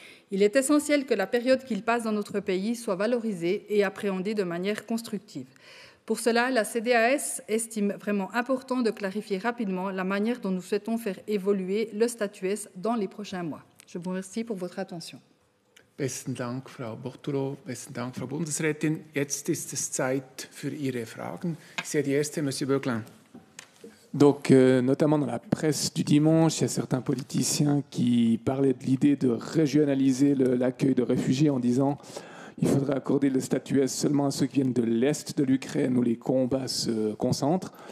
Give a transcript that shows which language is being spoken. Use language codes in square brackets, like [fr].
[fr] Il est essentiel que la période qu'ils passent dans notre pays soit valorisée et appréhendée de manière constructive. Pour cela, la CDAS estime vraiment important de clarifier rapidement la manière dont nous souhaitons faire évoluer le statut S dans les prochains mois. Je vous remercie pour votre attention. [de] Besten Dank, Frau Bortolo. Besten Dank, Frau Bundesrätin. Jetzt ist es Zeit für Ihre Fragen. [fr] C'est [de] die erste, Monsieur Böcklin. [fr] Donc, notamment dans la presse du dimanche, il y a certains politiciens qui parlaient de l'idée de régionaliser l'accueil de réfugiés en disant il faudrait accorder le statut S seulement à ceux qui viennent de l'est de l'Ukraine où les combats se concentrent.